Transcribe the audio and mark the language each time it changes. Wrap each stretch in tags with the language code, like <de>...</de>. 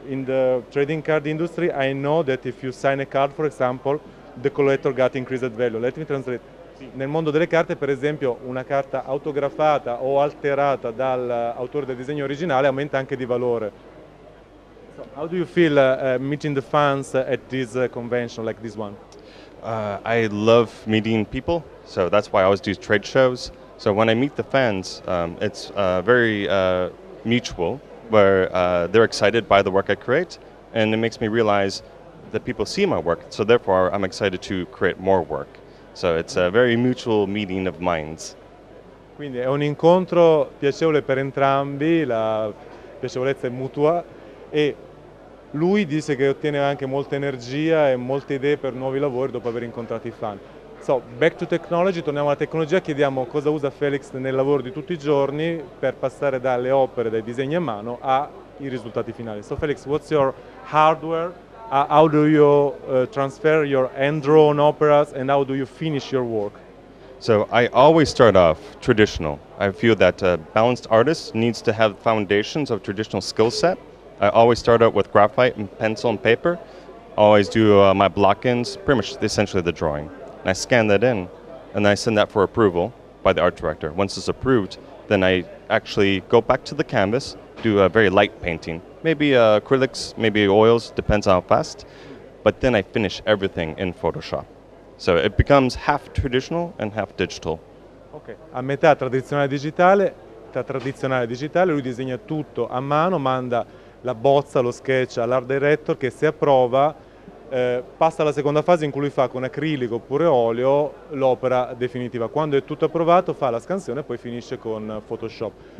<en>In the trading card industry, I know that if you sign a card, for example, the collector got increased value. Let me translate.</en> <it>Nel mondo delle carte, per esempio, una carta autografata o alterata dall'autore del disegno originale aumenta anche di valore.</it> <en>So, how do you feel meeting the fans at this convention like this one? I love meeting people, so that's why I always do trade shows. So when I meet the fans, it's very mutual, where they're excited by the work I create, and it makes me realize that people see my work, so therefore I'm excited to create more work. So it's a very mutual meeting of minds.</en> <it>Quindi è un incontro piacevole per entrambi, la piacevolezza è mutua, e lui dice che ottiene anche molta energia e molte idee per nuovi lavori dopo aver incontrato i fan.</it> <en>So, back to technology,</en> <it>torniamo alla tecnologia, chiediamo cosa usa Felix nel lavoro di tutti I giorni per passare dalle opere, dai disegni a mano, ai risultati finali.</it> <en>So, Felix, what's your hardware? How do you transfer your hand-drawn operas and how do you finish your work? So, I always start off traditional. I feel that a balanced artist needs to have foundations of traditional skill set. I always start out with graphite and pencil and paper. Always do my block-ins, pretty much essentially the drawing. And I scan that in, and I send that for approval by the art director. Once it's approved, then I actually go back to the canvas, do a very light painting. Maybe acrylics, maybe oils, depends on how fast. But then I finish everything in Photoshop. So it becomes half traditional and half digital.</en> <it>Okay, a metà tradizionale digitale, tra tradizionale digitale, lui disegna tutto a mano, manda la bozza, lo sketch all'art director che si approva. Passa alla seconda fase in cui lui fa con acrilico oppure olio l'opera definitiva. Quando è tutto approvato fa la scansione e poi finisce con Photoshop.</it>